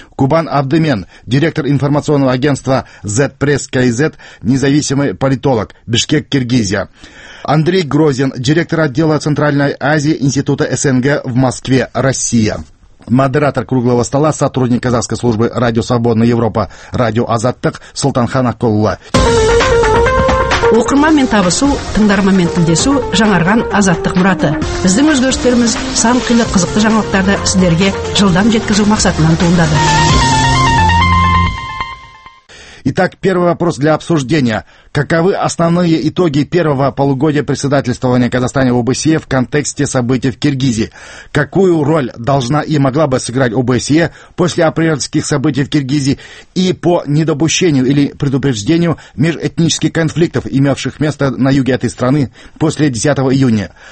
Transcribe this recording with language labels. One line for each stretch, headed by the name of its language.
Russian: Кубан Абдымен, директор информационного агентства Z-Press.kz, независимый политолог, Бишкек, Киргизия. Андрей Грозин, директор отдела Центральной Азии Института СНГ в Москве, Россия. Модератор круглого стола, сотрудник казахской службы Радио Свободная Европа, Радио Азаттык, Сұлтанхан Аққолла.
Kazakh: Оқырман мен табысу, тыңдарман мен тілдесу жаңарған азаттық мұраты. Біздің өзгерістеріміз сан қилы қызықты жаңалықтарды сіздерге жылдам жеткізу мақсатынан туындады.
Russian: Итак, первый вопрос для обсуждения. Каковы основные итоги первого полугодия председательствования Казахстана в ОБСЕ в контексте событий в Киргизии? Какую роль должна и могла бы сыграть ОБСЕ после апрельских событий в Киргизии и по недопущению или предупреждению межэтнических конфликтов, имевших место на юге этой страны после 10 июня?